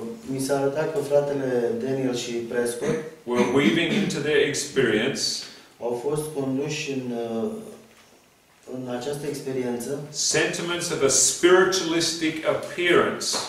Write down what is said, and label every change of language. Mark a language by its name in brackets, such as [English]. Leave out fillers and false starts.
[Romanian] Mi s-a arătat că fratele Daniel și Prescott [English] were weaving into their experience. [Romanian] Au fost conduși în această experiență. [English] Sentiments of a spiritualistic appearance.